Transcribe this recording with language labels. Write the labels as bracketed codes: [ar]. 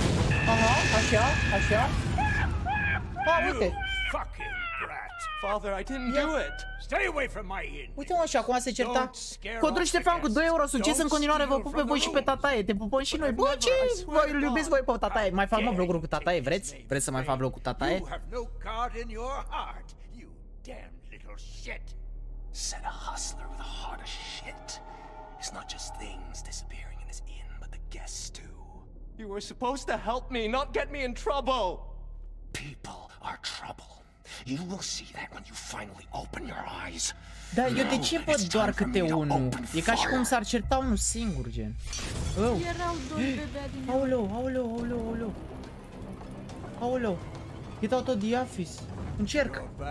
[ro] Aha, așa. A, uite. [en] Fuck it. Father, I didn't do it. Stay away from my inn. [ro] Uite mă, și acum se certa. Codru Ștefan cu 2 euro succes în continuare, vă pup pe voi și pe tataie. Te pupăm și noi. Bă, ce? Vă iubesc voi pe tataie. Mai fac mă vlogul cu tataie, vreți? Vreți să mai fac vlog cu tataie? [en] You have no card in your heart, you damn little shit. Said a hustler with a heart of shit. It's not just things disappearing in this inn, but the guests too. You were supposed to help me, not get me in trouble. People are trouble. You will see that when you finally open your eyes. [ro] Da, eu de ce văd doar câte unul? E ca și cum s-ar certa unul singur, gen. Erau doi bebe din. Aoleu. Aoleu. [en] Get out of the office. [ro] Încerc.